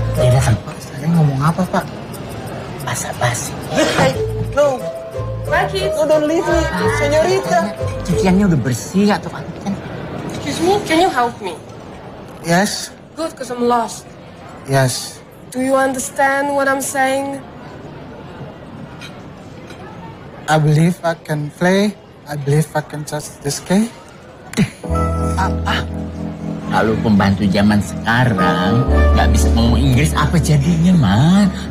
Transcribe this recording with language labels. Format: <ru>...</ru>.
<id>Apa, Pak? Bahasa basi.</id> <en>No. My kids. No, don't leave me. Senyorita.</en> <id>Cuciannya udah bersih atau apa?</id> <en>Excuse me, can you help me? Yes. Good, because I'm lost. Yes. Do you understand what I'm saying? I believe I can play. I believe I can touch this key.</en> <id>Apa? Kalau pembantu zaman sekarang nggak bisa ngomong Inggris, apa jadinya, Man?</id>